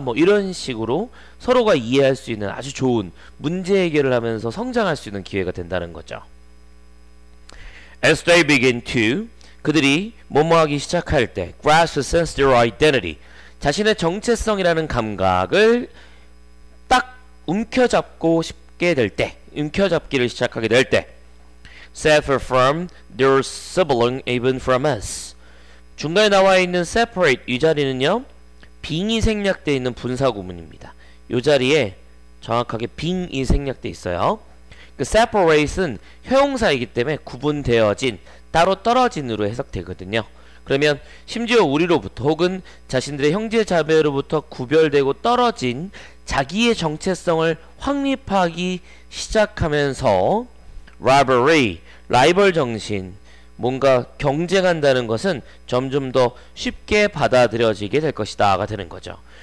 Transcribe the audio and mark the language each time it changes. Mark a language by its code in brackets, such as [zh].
[ko] 뭐 이런 식으로 서로가 이해할 수 있는 아주 좋은 문제 해결을 하면서 성장할 수 있는 기회가 된다는 거죠. [en] As they begin to, [ko] 그들이 뭐뭐하기 시작할 때, [en] grasp a sense of their identity, [ko] 자신의 정체성이라는 감각을 딱 움켜잡고 싶게 될 때, 움켜잡기를 시작하게 될 때. [en] Separate from their sibling, even from us. [ko] 중간에 나와 있는 separate, 이 자리는요, 빙이 생략되어 있는 분사 구문입니다. 이 자리에 정확하게 빙이 생략되어 있어요. 그 separate은 형용사이기 때문에 구분되어진, 따로 떨어진으로 해석되거든요. 그러면 심지어 우리로부터 혹은 자신들의 형제 자매로부터 구별되고 떨어진 자기의 정체성을 확립하기 시작하면서 rivalry, 라이벌 정신, 뭔가 경쟁한다는 것은 점점 더 쉽게 받아들여지게 될 것이다가 되는 거죠.